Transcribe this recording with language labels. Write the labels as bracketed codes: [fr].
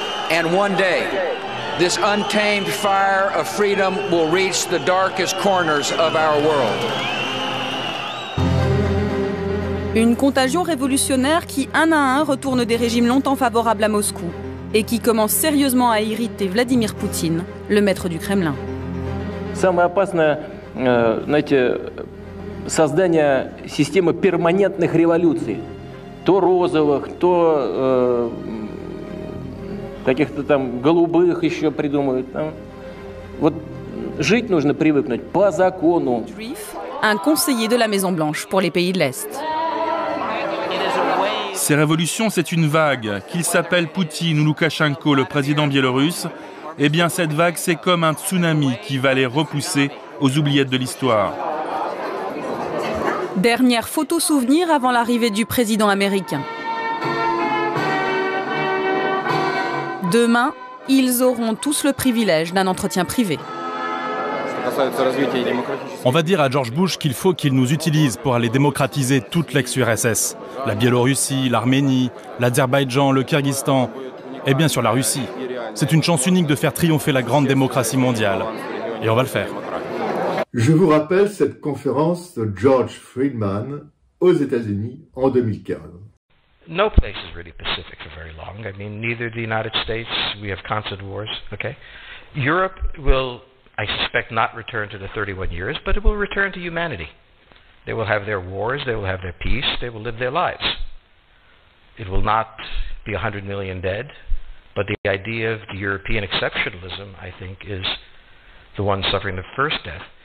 [en] And one day, this untamed fire of freedom will reach the darkest corners of our world. [fr] Une contagion révolutionnaire qui, un à un, retourne des régimes longtemps favorables à Moscou et qui commence sérieusement à irriter Vladimir Poutine, le maître du Kremlin. [ru] Самое опасное, знаете, создание системы перманентных революций, то розовых, то каких-то там голубых еще придумают. Вот жить нужно привыкнуть по закону. [fr] Un conseiller de la Maison Blanche pour les pays de l'Est. Ces révolutions, c'est une vague. Qu'il s'appelle Poutine ou Loukachenko, le président biélorusse, eh bien cette vague, c'est comme un tsunami qui va les repousser aux oubliettes de l'histoire. Dernière photo souvenir avant l'arrivée du président américain. Demain, ils auront tous le privilège d'un entretien privé. On va dire à George Bush qu'il faut qu'il nous utilise pour aller démocratiser toute l'ex-URSS. La Biélorussie, l'Arménie, l'Azerbaïdjan, le Kyrgyzstan et bien sûr la Russie. C'est une chance unique de faire triompher la grande démocratie mondiale. Et on va le faire. Je vous rappelle cette conférence de George Friedman aux États-Unis en 2015. [en] No place is really Pacific for very long. I mean, neither the United States, we have constant wars, okay? Europe will, I suspect, not return to the 31 years, but it will return to humanity. They will have their wars, they will have their peace, they will live their lives. It will not be 100 million dead, but the idea of the European exceptionalism, I think, is the one suffering the first death.